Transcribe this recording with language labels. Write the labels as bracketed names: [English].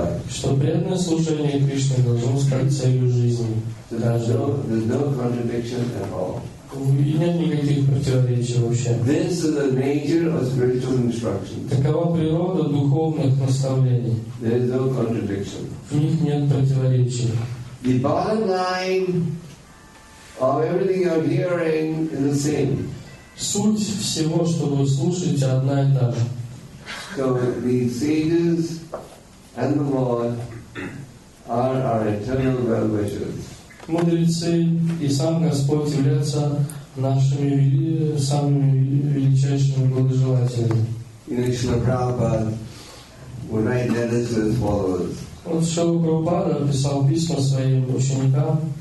[Russian] Что преданное служение Кришне должно стать целью жизни. И нет никаких противоречий вообще. [English] This is the nature of spiritual instructions. [Russian] Такова природа духовных наставлений. [English] There is no contradiction. [Russian] В них нет противоречий. [English] The bottom line of everything you're hearing is the same. [Russian] Суть всего, что вы слушаете, одна и та же. [English] So the sages and the Lord are our eternal well-wishers. [Russian] Мудрецы и сам Господь являются нашими самыми величайшими благожелателями. Шрила Прабхупада писал письма своим ученикам.